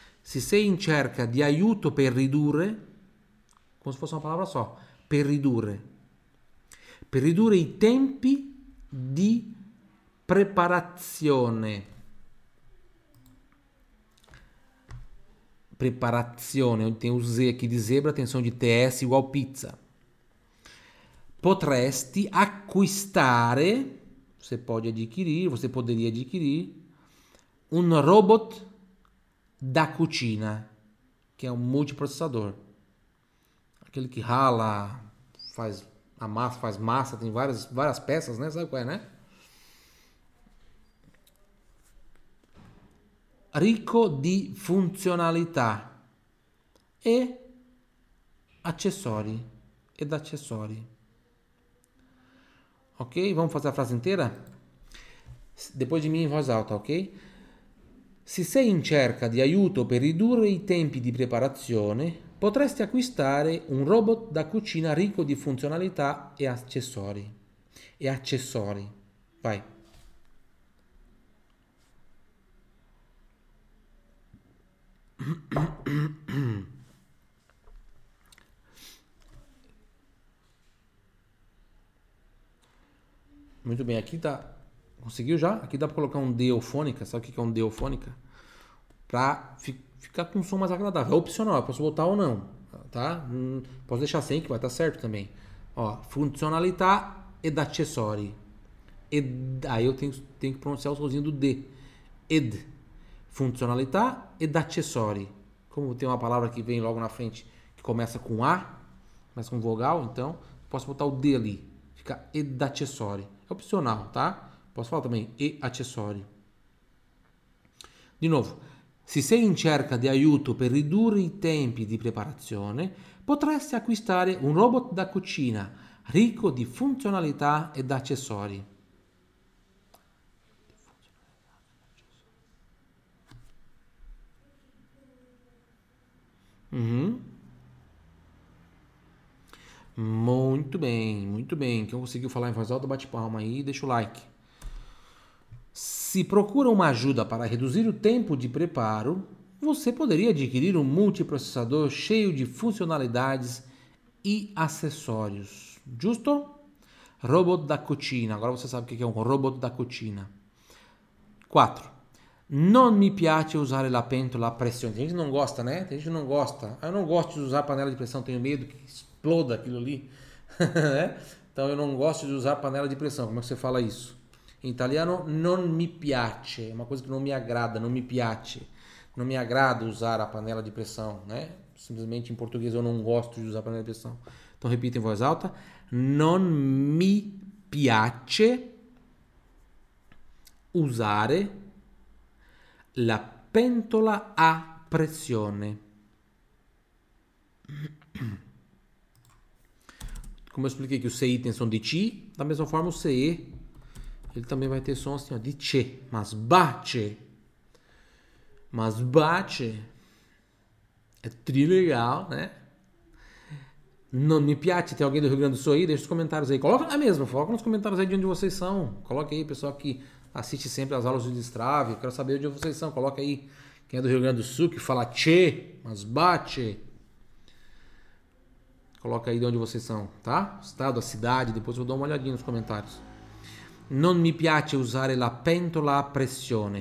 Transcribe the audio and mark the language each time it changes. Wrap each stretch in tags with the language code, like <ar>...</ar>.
<it>Se sei in cerca di aiuto per ridurre, come se fosse</it> <pt>uma palavra só,</pt> <it>per ridurre. per ridurre i tempi di preparazione.</it> <pt>Preparazione, tem um Z aqui de zebra, tensão de TS igual pizza.</pt> <it>Potresti acquistare,</it> <pt>você pode adquirir, você poderia adquirir, um robot da cucina, que é um multiprocessador. Aquele que rala, faz a massa, faz massa, tem várias, várias peças, né? Sabe qual é, né?</pt> <it>Ricco di funzionalità e accessori ed accessori. Ok?</it> <pt>Vamos fazer a frase inteira? Depois de mim em voz alta, ok?</pt> <it>Se sei in cerca di aiuto per ridurre i tempi di preparazione, potresti acquistare un robot da cucina ricco di funzionalità e accessori. E accessori. Vai.</it> <pt>Muito bem, aqui tá. Conseguiu já? Aqui dá pra colocar um deofônica. Sabe o que é um deofônica? Pra ficar com um som mais agradável. É opcional, eu posso botar ou não. Tá? Posso deixar sem, que vai estar certo também.</pt> <it>Ó, funcionalità ed accessori.</it> <pt>Ed, aí eu tenho que pronunciar o sozinho do D.</pt> <it>Ed. Funcionalità ed accessori.</it> <pt>Como tem uma palavra que vem logo na frente que começa com A, começa com vogal, então posso botar o D ali. Fica ed accessori. É opcional, tá? Posso falar também e accessori. De novo.</pt> <it>Se sei in cerca di aiuto per ridurre i tempi di preparazione, potresti acquistare un robot da cucina ricco di funzionalità ed accessori. Uhum.</it> <pt>Muito bem, muito bem. Quem conseguiu falar em voz alta, bate palma aí e deixa o like. Se procura uma ajuda para reduzir o tempo de preparo, você poderia adquirir um multiprocessador cheio de funcionalidades e acessórios. Justo? Robot da cucina. Agora você sabe o que é um robot da cucina. 4.</pt> <it>Non mi piace usare la pentola a pressione.</it> <pt>Tem gente que não gosta, né? Tem gente que não gosta. Eu não gosto de usar panela de pressão, tenho medo que exploda aquilo ali. Então eu não gosto de usar panela de pressão. Como é que você fala isso? Em italiano,</pt> <it>non mi piace.</it> <pt>É uma coisa que não me agrada,</pt> <it>non mi piace.</it> <pt>Não me agrada usar a panela de pressão, né? Simplesmente em português eu não gosto de usar panela de pressão. Então repita em voz alta.</pt> <it>Non mi piace usare la pentola a pressione.</it> <pt>Como eu expliquei que os CI tem som de TI, da mesma forma o CE, ele também vai ter som assim, ó, de CE. Mas BACE. Mas BACE. É trilegal, né?</pt> <it>Non mi piace.</it> <pt>Tem alguém do Rio Grande do Sul aí? Deixa os comentários aí. Coloca na mesma. Coloca nos comentários aí de onde vocês são. Coloca aí, pessoal, que assiste sempre as aulas do Destrave. Quero saber onde vocês são. Coloca aí quem é do Rio Grande do Sul que fala tchê, mas bate. Coloca aí de onde vocês são, tá? Estado, a cidade. Depois eu dou uma olhadinha nos comentários.</pt> <it>Non mi piace usare la pentola a pressione.</it>